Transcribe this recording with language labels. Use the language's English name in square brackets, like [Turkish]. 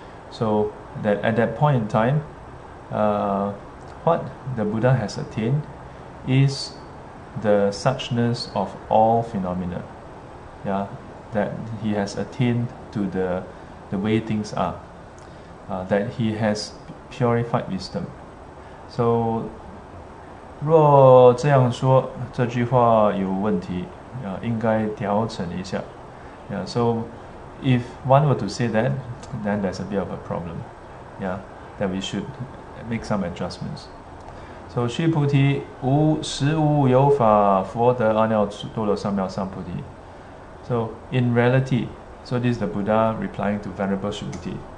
[English] So that at that point in time, what the Buddha has attained is the suchness of all phenomena. That he has attained to the way things are. That he has purified wisdom. [Chinese] So 若这样说，这句话有问题，应该调整一下。 [English] So if one were to say that, then there's a bit of a problem, that we should make some adjustments. [Chinese] So 须菩提，无实无有法，佛得阿耨多罗三藐三菩提。 [English] So in reality, so this is the Buddha replying to Venerable 须菩提。